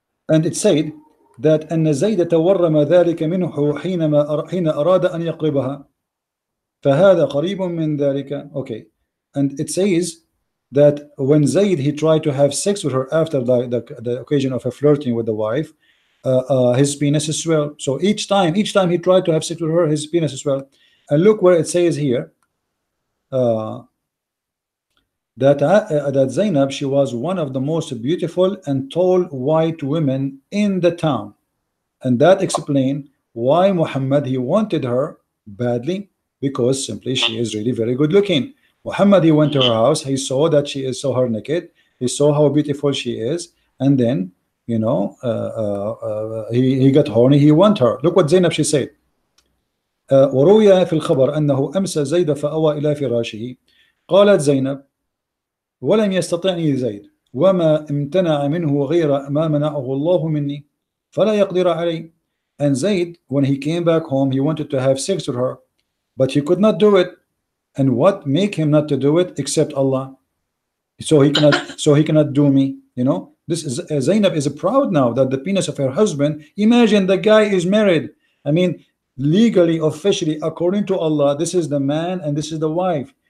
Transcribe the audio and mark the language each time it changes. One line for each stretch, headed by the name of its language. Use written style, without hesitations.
English: And it said that
Arabic: أن زيد تورم ذلك منه حين أراد أن يقربها. فهذا قريب من ذلك.
English: Okay, and it says that when Zayd, he tried to have sex with her after the occasion of a flirting with the wife, his penis as well. So each time he tried to have sex with her, his penis as well. And look where it says here that Zaynab, she was one of the most beautiful and tall white women in the town, and that explained why Muhammad, he wanted her badly. Because simply she is really very good looking. Muhammad, he went to her house. He saw that she is so her naked. He saw how beautiful she is. And then, he got horny. He want her. Look what Zeynep, she said.
Arabic: وروي في الخبر أنه أمسى زيد فأوى إلى فراشه. قالت زينب ولم يستطعني زيد. وما امتنع منه غير ما منعه الله مني فلا يقدر علي.
English: And Zayd, when he came back home, he wanted to have sex with her, but he could not do it. And what make him not to do it except Allah? So he cannot do me. You know, this is Zaynab is proud now that the penis of her husband. Imagine the guy is married. I mean, legally, officially, according to Allah, this is the man and this is the wife.